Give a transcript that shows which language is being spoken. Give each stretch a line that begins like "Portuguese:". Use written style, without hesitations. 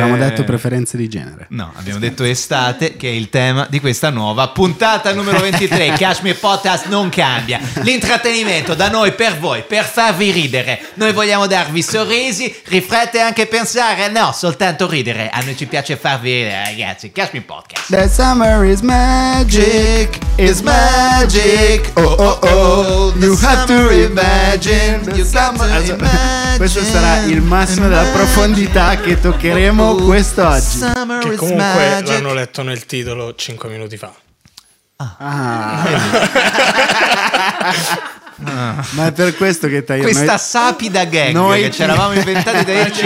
Italian: Abbiamo detto preferenze di genere. No, abbiamo detto estate, che è il tema di questa nuova puntata numero 23. Kashmir Podcast non cambia. L'intrattenimento da noi per voi, per farvi ridere. Noi vogliamo darvi sorrisi, riflettere e anche pensare. No, soltanto ridere. A noi ci piace farvi ridere, ragazzi. Kashmir Podcast.
English: The summer is magic, is magic. Oh, oh, oh. You have to imagine.
Italian: Questo sarà il massimo della profondità che toccheremo quest'oggi. Che comunque l'hanno letto nel titolo 5 minuti fa. Ma è per questo che tagliamo questa sapida gag noi che ci eravamo inventati da dirci.